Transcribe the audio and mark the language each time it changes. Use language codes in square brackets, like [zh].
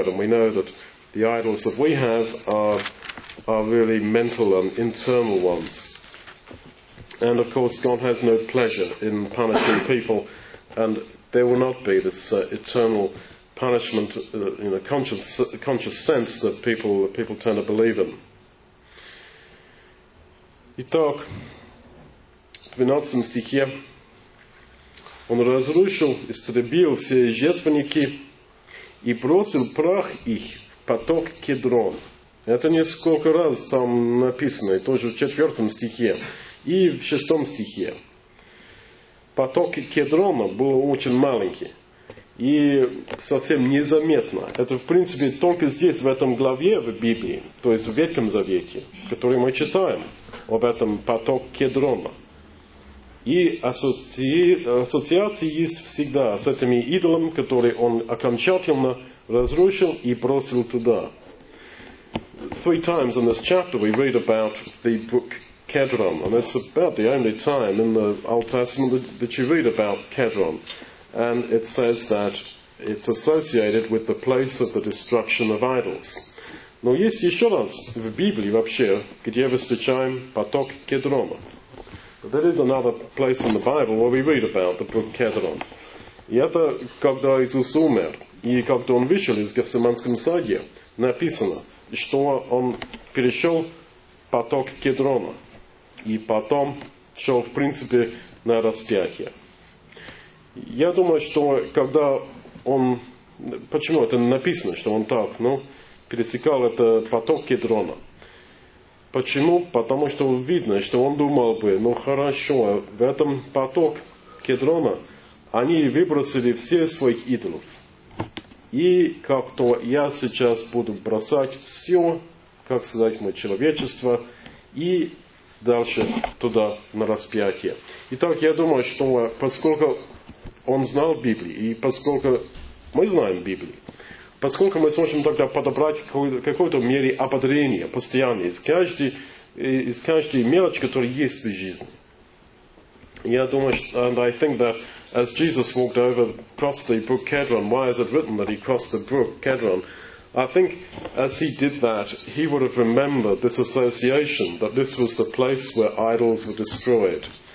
[en] And we know that the idols that we have are really mental and internal ones. And of course God has no pleasure in punishing people, and there will not be this eternal punishment in a conscious sense that people tend to believe in. [ru] Итак, в 12 стихе он разрушил, истребил все жертвенники и бросил прах их в поток Кедрон. Это несколько раз там написано, и тоже в 4 стихе и в 6 стихе. Поток Кедрона был очень маленький. И совсем незаметно. Это, в принципе, только здесь, в этом главе в Библии, то есть в Ветхом Завете, который мы читаем, об этом поток Кедрона. И ассоциации есть всегда с этими идолами, которые он окончательно разрушил и бросил туда. [en] Three times in this chapter we read about the book Kedron, and it's about the only time in the Old Testament that you read about Kedron. And it says that it's associated with the place of the destruction of idols. [ru] Но есть еще раз в Библии вообще, где встречаем поток Кедрона. [en] There is another place in the Bible where we read about the book Kedron. [ru] И это когда Иисус умер, и когда он вышел из Гефсиманском саде, написано, что он перешел поток Кедрона, и потом шел, в принципе, на распятие. Я думаю, что когда он... Почему это написано, что он так, ну, пересекал это поток Кедрона? Почему? Потому что видно, что он думал бы, ну, хорошо, в этом поток Кедрона они выбросили все своих идолов. И как-то я сейчас буду бросать все, как сказать, мое человечество, и дальше туда, на распятие. Итак, я думаю, что поскольку... Он знал Библию, и поскольку мы знаем Библию, поскольку мы сможем тогда подобрать в какой-то мере ободрение постоянно из каждой мелочи, которая есть в жизни. Я думаю, что, [en] and I think that as Jesus walked over across the brook Kedron, why is it written that he crossed the brook Kedron? I think as he did that, he would have remembered this association, that this was the place where idols were destroyed.